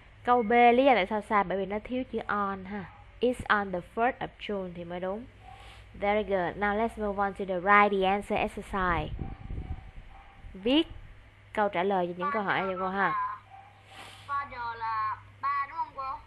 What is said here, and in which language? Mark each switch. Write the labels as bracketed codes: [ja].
[vi] Câu B lý do tại sao sai bởi vì nó thiếu chữ on ha. [en] It's on the 1st of June [vi] thì mới đúng. [en] Very good. Now let's move on to the write the answer exercise. [vi] Viết câu trả lời cho những câu hỏi cho cô ha. Father là ba đúng không cô?